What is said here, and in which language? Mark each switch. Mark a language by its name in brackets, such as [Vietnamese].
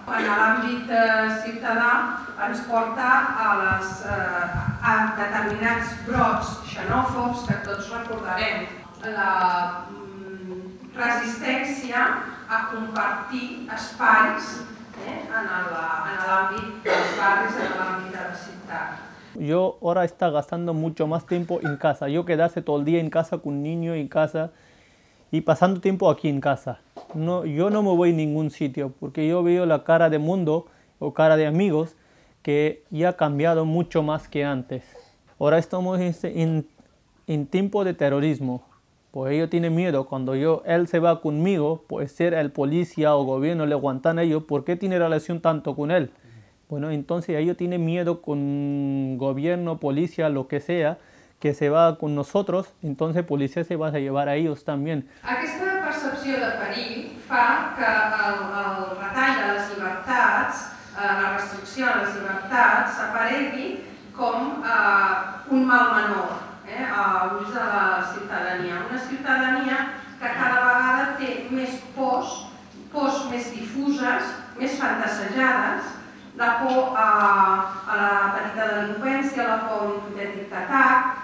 [Catalan] En l'àmbit ciutadà ens porta a determinats brots xenòfobs que tots recordarem. La resistència a compartir espais en l'àmbit dels barris, en l'àmbit de la ciutat. [Spanish] Yo ahora está gastando mucho más tiempo en casa. Yo quedarse todo el día en casa con un niño en casa y pasando tiempo aquí en casa. No, yo no me voy a ningún sitio porque yo veo la cara de mundo o cara de amigos que ya ha cambiado mucho más que antes. Ahora estamos en tiempo de terrorismo. pues ellos tienen miedo. Cuando yo, él se va conmigo, puede ser el policía o gobierno, le aguantan a ellos, ¿por qué tiene relación tanto con él? Bueno, entonces ellos tienen miedo con gobierno, policía, lo que sea, que se va con nosotros, entonces policía se va a llevar a ellos también. [Catalan] Aquesta percepció de perill fa que el retall de les llibertats, la restricció de les llibertats, aparegui com un mal menor a l'ús de la ciutadania. Una ciutadania que cada vegada té més pors, pors més difuses, més fantasejades, la por a la petita delinqüència, la por a un hipotètic atac.